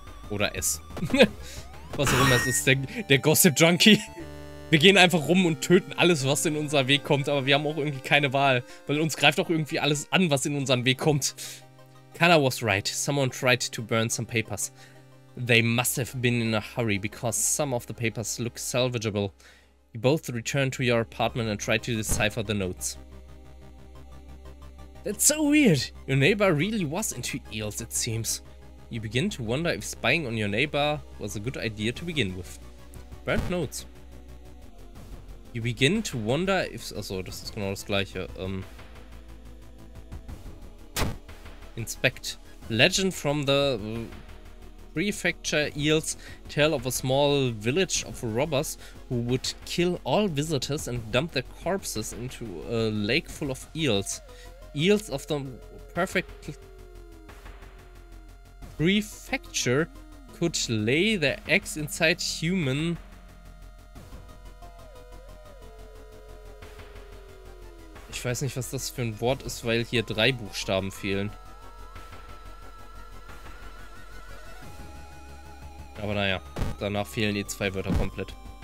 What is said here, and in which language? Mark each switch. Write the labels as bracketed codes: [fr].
[de] Oder es. Was auch immer es ist, der Gossip Junkie. Wir gehen einfach rum und töten alles, was in unser Weg kommt, aber wir haben auch irgendwie keine Wahl, weil uns greift auch irgendwie alles an, was in unseren Weg kommt. [en] Kana was right. Someone tried to burn some papers. They must have been in a hurry, because some of the papers look salvageable. You both returned to your apartment and tried to decipher the notes. It's so weird. Your neighbor really was into eels, it seems. You begin to wonder if spying on your neighbor was a good idea to begin with. Burnt notes. You begin to wonder if... [de] Achso, das ist genau das gleiche. [en] Inspect. Legend from the prefecture eels tell of a small village of robbers who would kill all visitors and dump their corpses into a lake full of eels. Eels of the perfect prefecture could lay their eggs inside human... [de] Ich weiß nicht, was das für ein Wort ist, weil hier drei Buchstaben fehlen. Aber naja, danach fehlen die zwei Wörter komplett.